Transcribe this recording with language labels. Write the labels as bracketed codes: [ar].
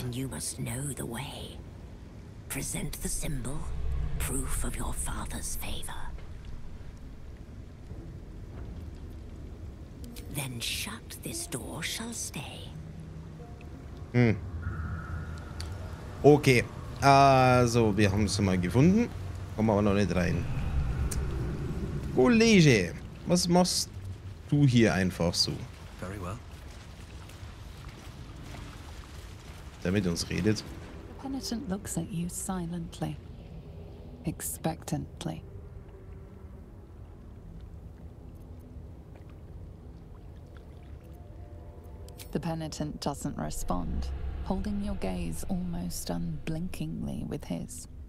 [en] Then you must know the way. Present the symbol, proof of your father's favor. Then shut this door shall stay. Hm. Okay. [de] Also, wir haben es mal gefunden. Kommen aber noch nicht rein. Kollege, was machst du hier einfach so? [en] Very well. [de] Der mit uns redet. [en] The penitent looks at you silently, expectantly. The penitent doesn't respond, holding your gaze almost unblinkingly with his.